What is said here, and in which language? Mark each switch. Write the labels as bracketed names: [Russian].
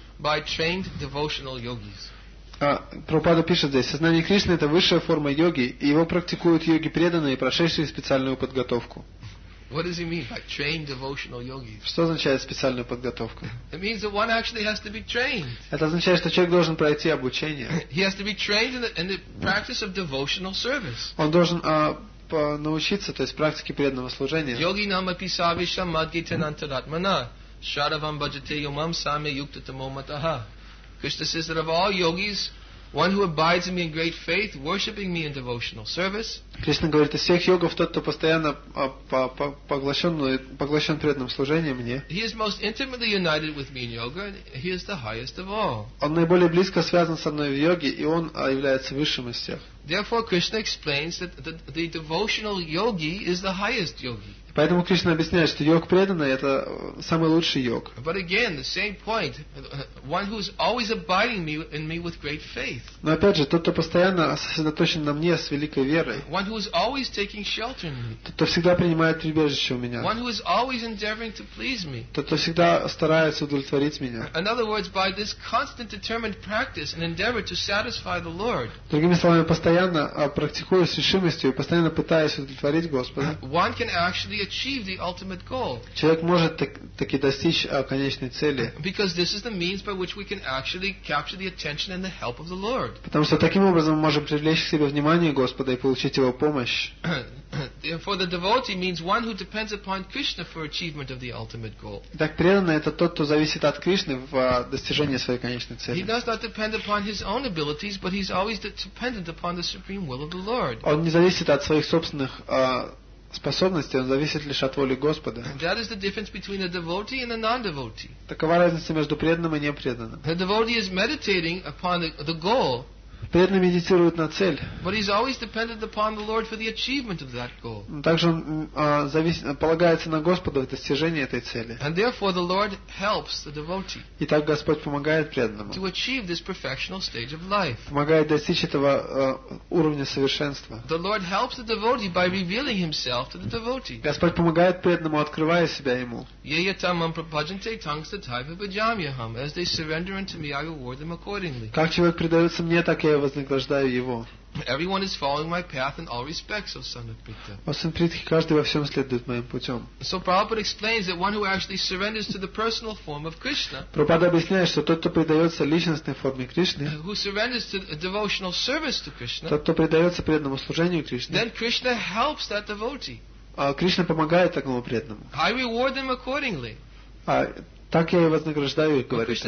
[English] By trained devotional yogis. [Russian] Прабхупада пишет здесь, сознание Кришны это высшая форма йоги, и его практикуют йоги преданные, прошедшие специальную подготовку. [English] What does he mean by trained devotional yogis? [Russian] Что означает специальная подготовка? [English] It means that one actually has to be trained. [Russian] Это означает, что человек должен пройти обучение. [English] He has to be trained in the practice of devotional service. [Russian] Он должен научиться, то есть практике преданного служения. [Sanskrit] Йоги нам описавиша мадгитен антаратмана. Sharavam bhajate yomam same yukta tamo mataha. [English] Krishna says that of all yogis, one who abides in me in great faith, worshipping me in devotional service, [Russian] Кришна говорит, из всех йогов тот, кто постоянно поглощен преданным служением мне. [English] He is most intimately united with me in yoga. He is the highest of all. [Russian] Он наиболее близко связан со мной в йоге, и он является высшим из всех. [English] Therefore, Krishna explains that the devotional yogi is the highest yogi. [Russian] Поэтому Кришна объясняет, что йог преданный это самый лучший йог. [English] But again, the same point, one who is always abiding in me with great faith. [Russian] Но опять же, тот, кто постоянно сосредоточен на мне с великой верой. [English] One who is always taking shelter in me. [Russian] Тот, кто всегда принимает прибежище у меня. [English] One who is always endeavoring to please me. [Russian] Тот, кто всегда старается удовлетворить меня. [English] In other words, by this constant determined practice and endeavor to satisfy the Lord. [Russian] Другими словами, постоянно практикую с решимостью, постоянно пытаюсь удовлетворить Господа. [English] One can actually achieve the ultimate goal. [Russian] Человек может таки достичь конечной цели. [English] Because this is the means by which we can actually capture the attention and the help of the Lord. [Russian] Потому что таким образом мы можем привлечь к себе внимание Господа и получить его помощь. [English] Therefore, the devotee means one who depends upon Krishna for achievement of the ultimate goal. [Russian] Так преданный это тот, кто зависит от Кришны в достижении своей конечной цели. [English] He does not depend upon his own abilities, but he's always dependent upon the supreme will of the Lord. [Russian] Он не зависит от своих собственных способности, он зависит лишь от воли Господа. [English] That is the difference between a devotee and a non-devotee. [Russian] Такова разница между преданным и непреданным. [English] The devotee is meditating upon the goal. [Russian] Преданный медитирует на цель. [English] But he's always dependent upon the Lord for the achievement of that goal. [Russian] Также он полагается на Господа в достижении этой цели. [English] And therefore the Lord helps the devotee. [Russian] И так Господь помогает преданному. [English] To achieve this perfectional stage of life. [Russian] Помогает достичь этого уровня совершенства. [English] The Lord helps the devotee by revealing himself to the devotee. [Russian] Господь помогает преданному, открывая себя ему. [Sanskrit] Yayatamam prabhajante tangsa type of ajamyaham. [English] As they surrender unto me, I reward them accordingly. [Russian] Как человек предается мне, так я вознаграждаю его. [English] Everyone is following my path in all respects, O son of Pritha. [Russian] О сын Притхи, каждый во всем следует моим путем. [English] So Prabhupada explains that one who actually surrenders to the personal form of Krishna. [Russian] Прабхупада объясняет, что тот, кто предается личностной форме Кришны. [English] Who surrenders to a devotional service to Krishna. [Russian] Тот, кто предается преданному служению Кришне. [English] Then Krishna helps that devotee. [Russian] Кришна помогает такому преданному. [English] I reward them accordingly. [Russian] Так я и вознаграждаю их, говорит